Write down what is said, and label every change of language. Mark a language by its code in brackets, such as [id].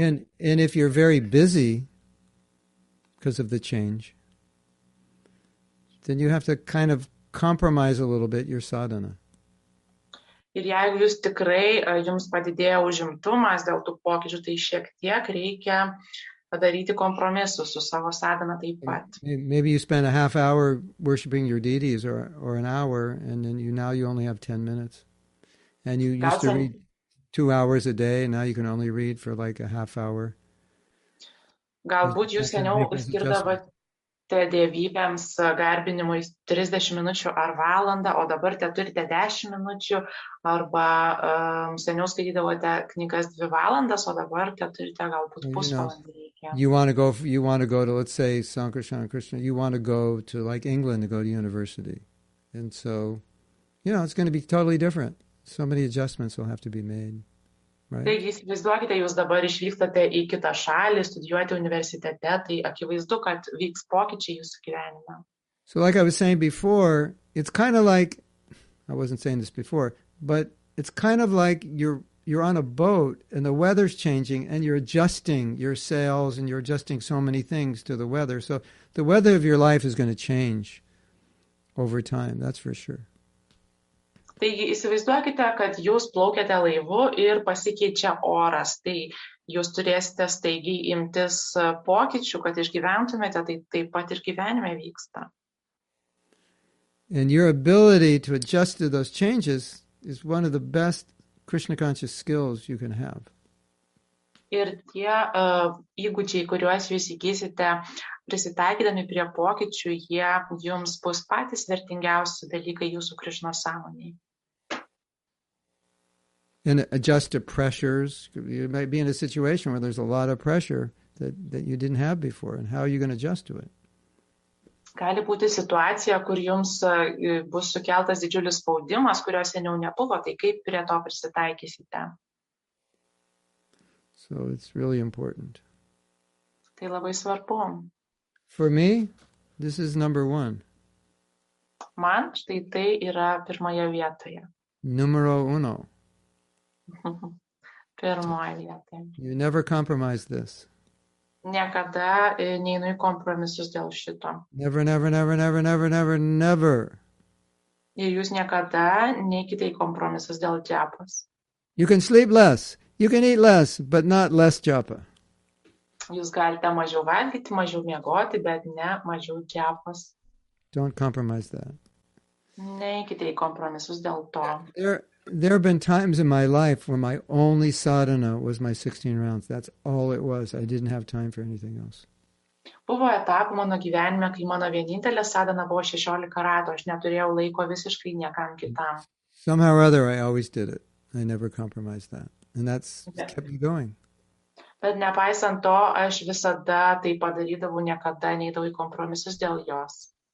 [en] And if you're very busy because of the change, then you have to kind of compromise a little bit your sadhana. [lt] Ir jeigu jūs tikrai, jums padidėjo užimtumas dėl tų pokyčių, tai šiek tiek reikia padaryti kompromisus su savo sadhana taip pat. [en] Maybe you spend a half hour worshiping your deities or an hour, and then you only have 10 minutes. And you used to read 2 hours a day, and now you can only read for like a half hour. [lt] Galbūt jūs seniau skirdavot... dievybėms garbinimui 30 minučių ar valandą, o dabar te turite 10 minučių, arba seniau skaitydavote knygas 2 valandas, o dabar te turite galbūt pusvalandį. [en] You want to go to, let's say, Sankarshan Krishna, you want to go to like England to go to university. And so, you know, it's going to be totally different. So many adjustments will have to be made. Right. [lt] Taigi, įsivaizduokite, jūs dabar išvykstate į kitą šalį, studijuoti universitete, tai akivaizdu, kad vyks pokyčiai jūsų gyvenime. [en] So like I was saying before, it's kind of like, I wasn't saying this before, but it's kind of like you're on a boat and the weather's changing and you're adjusting your sails and you're adjusting so many things to the weather. So the weather of your life is going to change over time, that's for sure. [lt] Taigi įsivaizduokite, kad jūs plaukiate laivu ir pasikeičia oras, tai jūs turėsite staigiai imtis pokyčių, kad išgyventumėte, tai taip pat ir gyvenime vyksta. [en] And your ability to adjust to those changes is one of the best Krishna conscious skills you can have. [lt] Ir tie įgūdžiai, kuriuos jūs įgysite, prisitaikydami prie pokyčių, jie jums bus patys vertingiausi dalykai jūsų Krishna sąmonėje. [en] And adjust to pressures. You might be in a situation where there's a lot of pressure that you didn't have before. And how are you going to adjust to it? [lt] Gali būti situacija, kur jums bus sukeltas didžiulis spaudimas, kurio seniau nebuvo. Tai kaip prie to prisitaikysite? [en] So it's really important. [lt] Tai labai svarbu. [en] For me, this is number one. [lt] Man štai tai yra pirmoje vietoje. [es] Numero uno. [lt] Pirmoje. [en] You never compromise this. [lt] Niekada neinu į kompromisus dėl šito. [en] Never, never, never, never, never, never, never. [lt] Ir jūs niekada neikite į kompromisus dėl džiapas. [en] You can sleep less. You can eat less, but not less džiapa. [lt] Jūs galite mažiau valgyti, mažiau miegoti, bet ne mažiau džiapas. [en] Don't compromise that. [lt] Neikite į kompromisus dėl to. [en] There have been times in my life where my only sadhana was my 16 rounds. That's all it was. I didn't have time for anything else. [lt] Buvo etapų mano gyvenime, kai mano vienintelė sadhana buvo 16 ratų. Aš neturėjau laiko visiškai niekam kitam. [en] Somehow or other, I always did it. I never compromised that. And that's kept me going. [lt] Bet nepaisant to, aš visada tai padarydavau, niekada neidavau į kompromisus dėl jos.